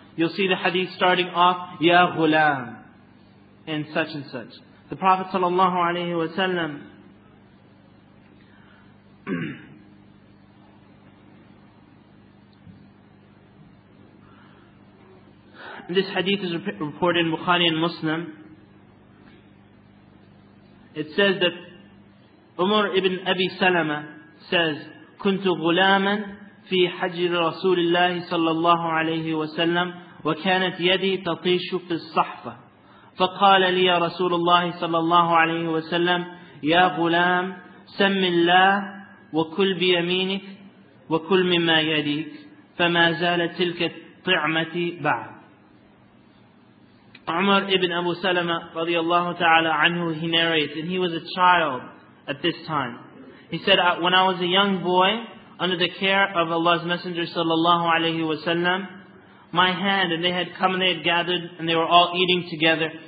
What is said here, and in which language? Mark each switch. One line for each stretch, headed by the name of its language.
English: You'll see the hadith starting off, Ya Ghulam, and such and such. The Prophet ﷺ, this hadith is reported in Bukhari and Muslim. It says that Umar ibn Abi Salama says,
Arabic: كُنْتُ غُلَامًا فِي حَجْرِ رَسُولِ اللَّهِ صَلَّى اللَّهُ عَلَيْهِ وَسَلَّمُ وَكَانَتْ يَدِي تَطِيشُ فِي الصَّحْفَةِ فَقَالَ لِيَ رَسُولُ اللَّهِ صَلَّى اللَّهُ عَلَيْهِ وَسَلَّمُ يَا غُلَامْ سَمِّ اللَّهِ وَكُلْ بِيَمِينِكِ وَكُلْ مِمَّا يَدِيكِ فَمَا زَالَ تِلْكَ طِعْمَتِي بَعْدِ.
English: Umar ibn Abu Salama radiallahu ta'ala anhu, he narrates, and he was a child at this time. He said, when I was a young boy, under the care of Allah's Messenger sallallahu alayhi wa sallam, my hand, and they had come and they had gathered and they were all eating together.